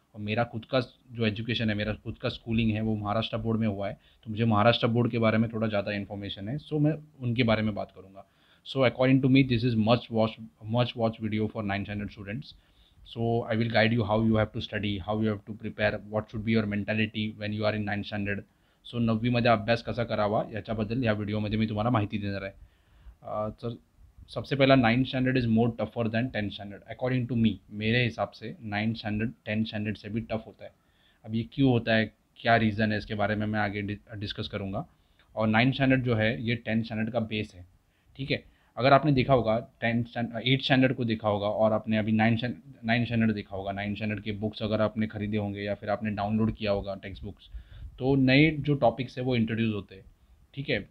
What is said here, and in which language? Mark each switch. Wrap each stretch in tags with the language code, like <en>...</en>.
<hi>और मेरा खुद का जो एजुकेशन है, मेरा खुद का स्कूलिंग है, वो महाराष्ट्र बोर्ड में हुआ है, तो मुझे महाराष्ट्र बोर्ड के बारे में थोड़ा ज़्यादा इन्फॉर्मेशन है। सो मैं उनके बारे में बात करूँगा।</hi> <en>So according to me this is much watch video for 9th standard students. So I will guide you how you have to study, how you have to prepare, what should be your mentality when you are in 9th standard.</en> <mr>So 9वीमध्ये अभ्यास कसा करावा याच्याबद्दल या व्हिडिओमध्ये मी तुम्हाला माहिती देणार आहे। तर सबसे पहिला,</mr> <en>9th standard is more tougher than 10th standard according to me.</en> <hi>मेरे हिसाब से 9th स्टँडर्ड 10th स्टँडर्ड से भी टफ होता है। अब ये क्यों होता है, क्या रीज़न है, इसके बारे में मैं आगे डिस्कस करूँगा। और 9th स्टँडर्ड जो है ये 10th स्टँडर्ड का बेस है, ठीक है। अगर आपने देखा होगा 8th स्टैंडर्ड को देखा होगा और आपने अभी 9th स्टैंडर्ड देखा होगा, 9th स्टैंडर्ड के बुक्स अगर आपने खरीदे होंगे या फिर आपने डाउनलोड किया होगा टेक्स्ट बुक्स, तो नए जो टॉपिक्स है वो इंट्रोड्यूस होते हैं, ठीक है।</hi>